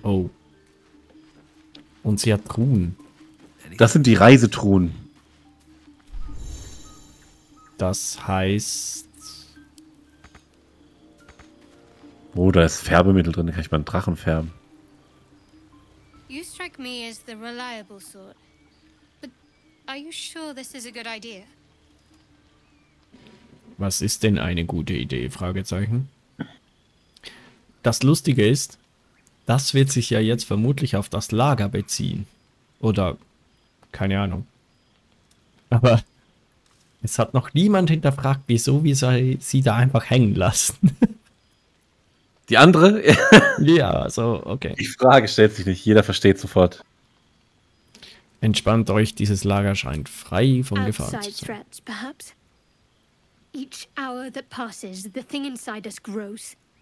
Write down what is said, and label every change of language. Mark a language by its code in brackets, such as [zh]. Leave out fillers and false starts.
[de] Oh. Und sie hat Truhen. Das sind die Reisetruhen. Das heißt... Oh, da ist Färbemittel drin. Da kann ich meinen Drachen färben. [en] You strike me as the reliable sort. But are you sure this is a good idea? [de] Was ist denn eine gute Idee? Fragezeichen. Das Lustige ist, das wird sich ja jetzt vermutlich auf das Lager beziehen. Oder... keine Ahnung. Aber es hat noch niemand hinterfragt, wieso wir sie da einfach hängen lassen. Die andere? Ja, so, okay. Die Frage stellt sich nicht, jeder versteht sofort. Entspannt euch, dieses Lager scheint frei von Gefahren zu sein. [en] Each hour that passes, the thing inside us grows.